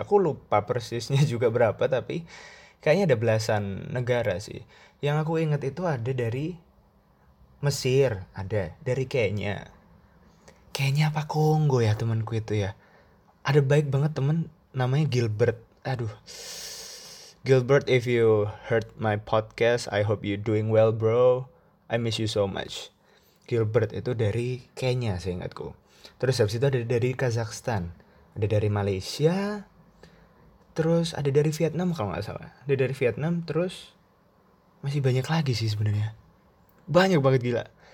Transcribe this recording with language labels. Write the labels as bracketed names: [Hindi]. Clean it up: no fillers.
[Indonesian] Aku lupa persisnya juga berapa, tapi kayaknya ada belasan negara sih. Yang aku ingat itu ada dari Mesir, ada dari Kenya apa Kongo ya temanku itu ya. Ada baik banget teman namanya Gilbert. Aduh. [English] Gilbert, if you heard my podcast, I hope you doing well, bro. I miss you so much. [Indonesian] Gilbert itu dari Kenya, seingatku. Terus habis itu ada dari Kazakhstan, ada dari Malaysia, terus ada dari Vietnam kalau enggak salah. Ada dari Vietnam, terus masih banyak lagi sih sebenarnya. Banyak banget gila.